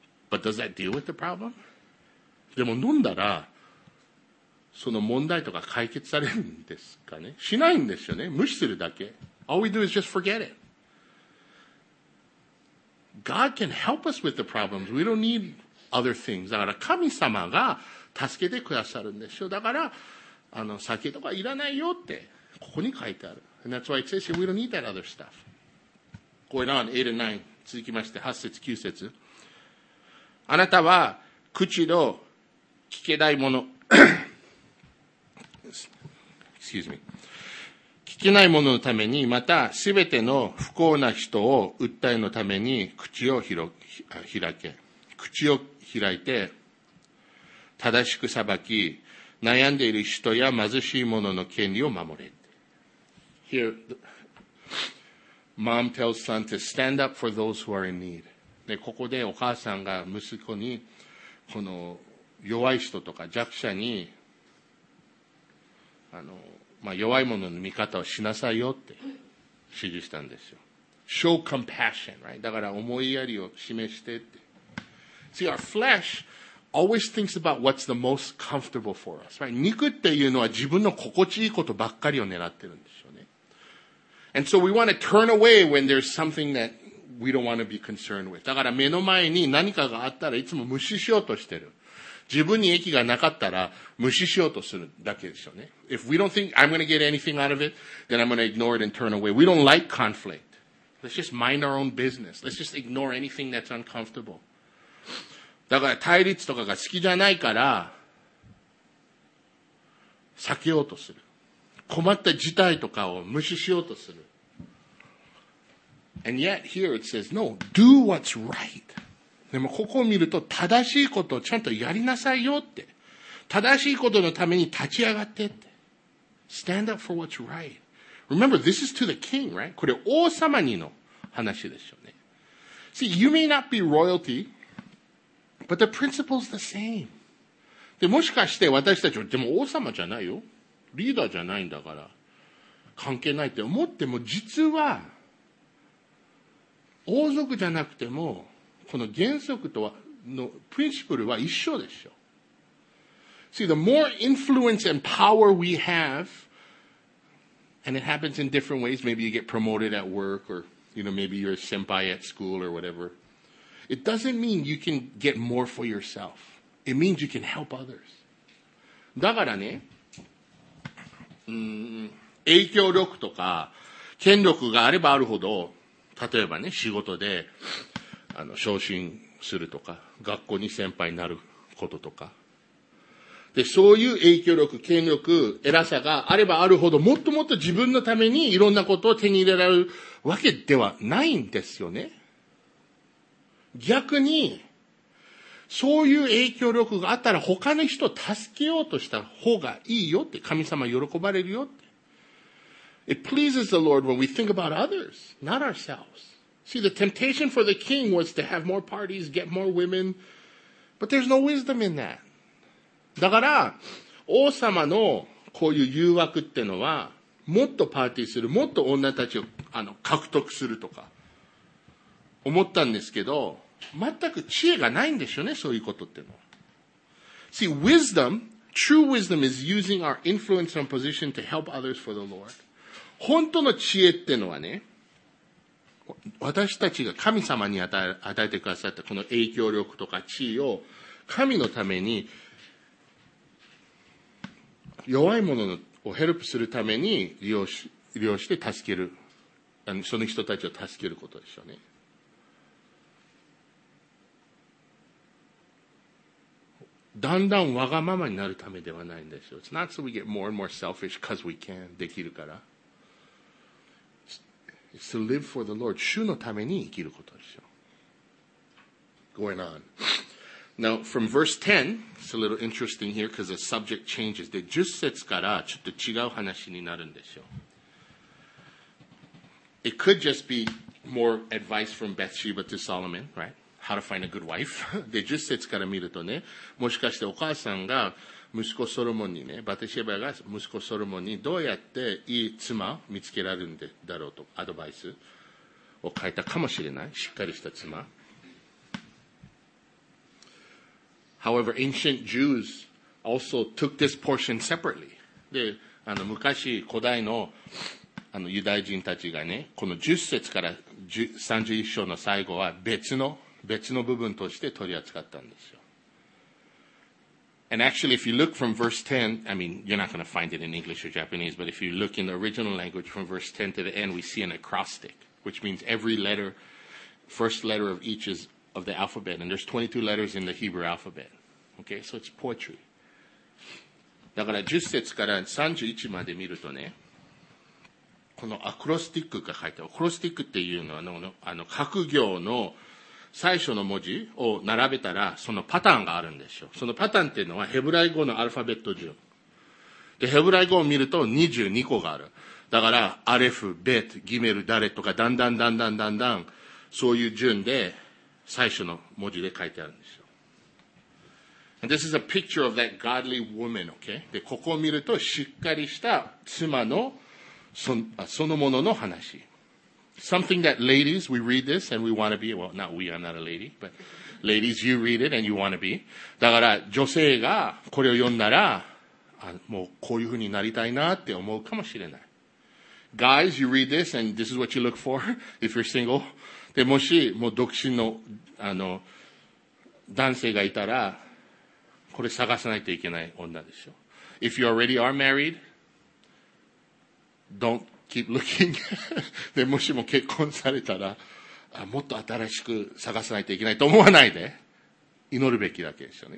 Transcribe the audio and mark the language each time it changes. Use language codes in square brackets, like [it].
[en] But does that deal with the problem? [ja] でも飲んだらその問題とか解決されるんですかね？しないんですよね。無視するだけ。 [en] All we do is just forget itGod can help us with the problems. We don't need other things. [ja] だから神様が助けてくださるんでしょ。だから酒とかいらないよってここに書いてある。 [en] And that's why it says we don't need that other stuff. Going on, 8 and 9. [ja] 続きまして8節9節。あなたは口の聞けないもの。 [en] Excuse me. [ja] 聞けないもののために、またすべての不幸な人を訴えのために口を開いて正しく裁き、悩んでいる人や貧しい者の権利を守れ。 [en] Here, mom tells son to stand up for those who are in need. [ja] で、ここでお母さんが息子にこの弱い人とか弱者に弱い者の見方をしなさいよって指示したんですよ。 [en] Show compassion, right? [ja] だから思いやりを示してって。 [en] See, our flesh always thinks about what's the most comfortable for us, right? [ja] 肉っていうのは自分の心地いいことばっかりを狙ってるんですよね。 [en] And so we want to turn away when there's something that we don't want to be concerned with. [ja] だから目の前に何かがあったらいつも無視しようとしてる。自分に益がなかったら無視しようとするだけでしょうね。 [en] If we don't think I'm going to get anything out of it, then I'm going to ignore it and turn away. We don't like conflict. Let's just mind our own business. Let's just ignore anything that's uncomfortable. [ja] だから対立とかが好きじゃないから避けようとする。困った事態とかを無視しようとする。 [en] And yet here it says, no, do what's right. [ja] でもここを見ると正しいことをちゃんとやりなさいよって。正しいことのために立ち上がってって。 [en] Stand up for what's right. Remember, this is to the king, right? [ja] これ王様にの話ですよね。 [en] See, you may not be royalty, but the principle's the same. [ja] で、もしかして私たちは、でも王様じゃないよ。リーダーじゃないんだから、関係ないって思っても、実は、王族じゃなくても、この原則とは、の、プリンシプルは一緒でしょ。 [en] See, the more influence and power we have, and it happens in different ways, maybe you get promoted at work, or, you know, maybe you're a senpai at school or whatever. It doesn't mean you can get more for yourself. It means you can help others. [ja] だからね、影響力とか、権力があればあるほど、例えばね、仕事で、昇進するとか、学校に先輩になることとか。で、そういう影響力、権力、偉さがあればあるほど、もっともっと自分のためにいろんなことを手に入れられるわけではないんですよね。逆に、そういう影響力があったら他の人を助けようとした方がいいよって、神様喜ばれるよって。 [en] It pleases the Lord when we think about others, not ourselves. See, the temptation for the king was to have more parties, get more women. But there's no wisdom in that. [ja] だから、王様のこういう誘惑ってのは、もっとパーティーする、もっと女たちを獲得するとか、思ったんですけど、全く知恵がないんでしょうね、そういうことってのは。 [en] See, wisdom, true wisdom is using our influence and position to help others for the Lord. [ja] 本当の知恵ってのはね、私たちが神様に与えてくださったこの影響力とか地位を神のために弱い者をヘルプするために利用して助けるその人たちを助けることでしょうね。だんだんわがままになるためではないんですよ。 [en] It's not so we get more and more selfish because we can [ja] できるから。 [en] It's to live for the Lord. [ja] 主のために生きることですよ。 [en] Going on. Now, from verse 10, it's a little interesting here because the subject changes. [ja] で、10節からちょっと違う話になるんですよ。 [en] It could just be more advice from Bathsheba to Solomon, right? How to find a good wife. [ja] で、10節から見るとね、もしかしてお母さんが息子ソロモンにね、バテシェバが息子ソロモンにどうやっていい妻を見つけられるんだろうとアドバイスを書いたかもしれない。しっかりした妻。 [en] However, ancient Jews also took this portion separately. [ja] で、昔古代の、ユダヤ人たちがね、この10節から31章の最後は別の部分として取り扱ったんですよ。 [en] And actually, if you look from verse 10, I mean, you're not going to find it in English or Japanese, but if you look in the original language from verse 10 to the end, we see an acrostic, which means every letter, first letter of each is of the alphabet. And there's 22 letters in the Hebrew alphabet. Okay, so it's poetry. [ja] だから10節から31まで見るとね、このアクロスティックが書いてある。アクロスティックっていうのは、各行の最初の文字を並べたら、そのパターンがあるんですよ。そのパターンっていうのは、ヘブライ語のアルファベット順。で、ヘブライ語を見ると22個がある。だから、アレフ、ベット、ギメル、ダレとか、だんだんだんだんだんだん、そういう順で、最初の文字で書いてあるんですよ。 [en] And this is a picture of that godly woman, okay? [ja] で、ここを見ると、しっかりした妻の、そのものの話。 [en] Something that ladies, we read this and we want to be. Well, not we, I'm not a lady, but ladies, you read it and you want to be. [ja] だから女性がこれを読んだら、もうこういう風になりたいなって思うかもしれない。 [en] Guys, you read this and this is what you look for if you're single. [ja] でもしもう独身の男性がいたら、これ探さないといけない女でしょ。 [en] If you already are married, don't. Keep looking. [ja] でもしも結婚されたら、もっと新しく探さないといけないと思わないで、祈るべきだけですよね。